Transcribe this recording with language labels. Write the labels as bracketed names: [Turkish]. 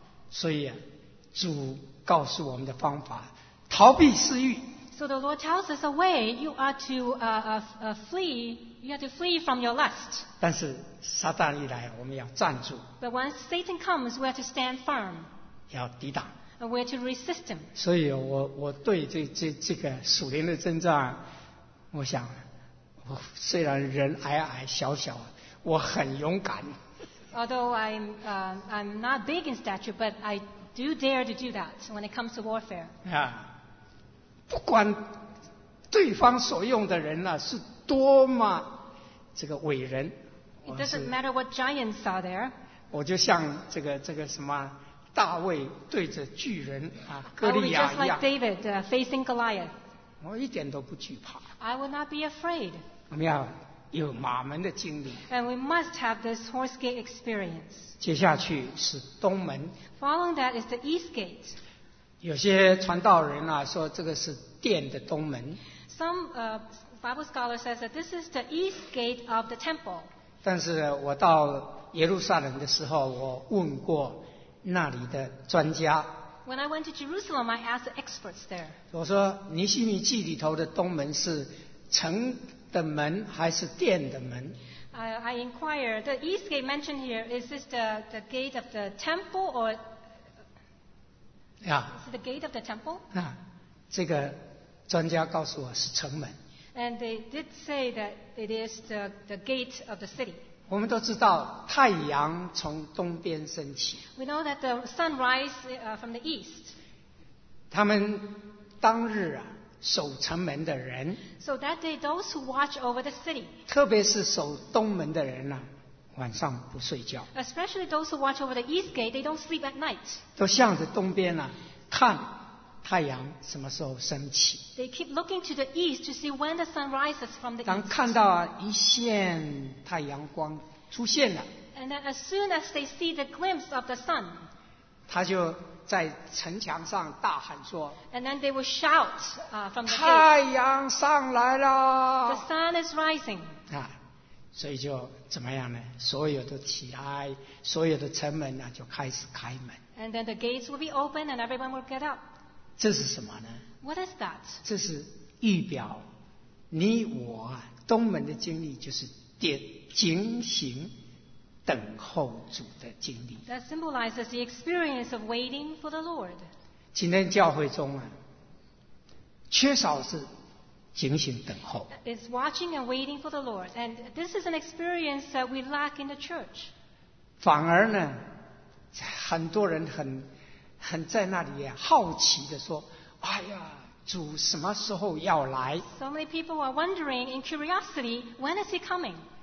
[Chinese] 所以啊，主告诉我们的方法，逃避私欲。 [English] So the Lord tells us a way. You are to flee. You have to flee from your lust. [Chinese] 但是撒旦一来，我们要站住。 [English] But when Satan comes, we have to stand firm. [Chinese] 要抵挡。 [English] And we have to resist him. [Chinese] 所以我对这个属灵的征战，我想，我虽然人矮矮小小，我很勇敢。 [English] Although I'm not big in stature, but I do dare to do that when it comes to warfare. Yeah. [Chinese] 不管对方所用的人呢、啊、是多么这个伟人， [English] It doesn't matter what giants are there. [Chinese] 我就像这个什么大卫对着巨人啊哥利亚一样。 [English] I'll be just like David facing Goliath. [Chinese] 我一点都不惧怕。 [English] I will not be afraid. [Chinese] 我们要有马门的经历。 [English] And we must have this horse gate experience. [Chinese] 接下去是东门。 [English] Following that is the east gate. [Chinese] 有些传道人啊说这个是殿的东门。 [English] Some Bible scholar says that this is the east gate of the temple. [Chinese] 但是我到耶路撒冷的时候，我问过那里的专家。 [English] When I went to Jerusalem, I asked the experts there. [Chinese] 我说尼希米记里头的东门是城的门还是殿的门？ [English] I inquired the east gate mentioned here is this the gate of the temple or Is it the gate of the temple? [Chinese] 那这个专家告诉我是城门。 [English] And they did say that it is the gate of the city. [Chinese] 我们都知道太阳从东边升起。 [English] We know that the sun rises from the east. [Chinese] 他们当日啊守城门的人。 [English] So that day, those who watch over the city. [Chinese] 特别是守东门的人呢、啊。晚上不睡觉。 [English] Especially those who watch over the east gate, they don't sleep at night. [Chinese] 都向着东边呢、啊，看太阳什么时候升起。 [English] They keep looking to the east to see when the sun rises from the east. [Chinese] 当看到一线太阳光出现了。 [English] And then as soon as they see the glimpse of the sun, [Chinese] 他就在城墙上大喊说。 [English] And then they will shout from the [Chinese] east. 太阳上来了。 [English] The sun is rising. [Chinese] 啊。所以就怎么样呢？所有的起来，所有的城门呢、啊、就开始开门。 [English] And then the gates will be open, and everyone will get up. [Chinese] 这是什么呢 [English] ？What is that？ [Chinese] 这是预表，你我啊，东门的经历就是警醒等候主的经历。 [English] That symbolizes the experience of waiting for the Lord. [Chinese] 今天教会中啊，缺少是。警醒等候。 [English] It's watching and waiting for the Lord, and this is an experience that we lack in the church. [Chinese] 反而呢，很多人很在那里好奇的说，哎呀，主什么时候要来 [English] ？So many people are wondering in curiosity, when is he coming?